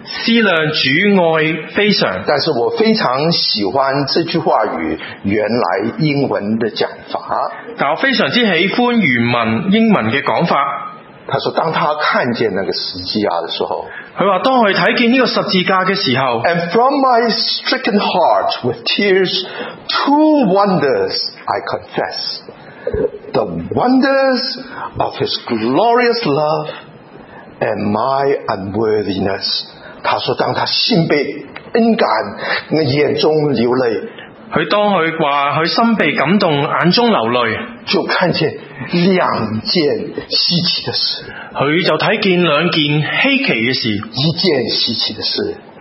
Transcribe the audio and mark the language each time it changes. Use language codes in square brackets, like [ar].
[zh] 思量主爱非常。但是我非常喜欢这句话语原来英文的讲法，但我非常喜欢原文英文的讲法。他说当他看见那个十字架的时候，他说当他看见这个十字架的时候， [en] And from my stricken heart with tears two wonders I confess， the wonders of his glorious love and my unworthiness. [zh] 他说当他心被恩感，眼中流泪，他当他说他心被感动，眼中流泪，就看见两件稀奇的事。他就看见两件稀奇的事，一件稀奇的事，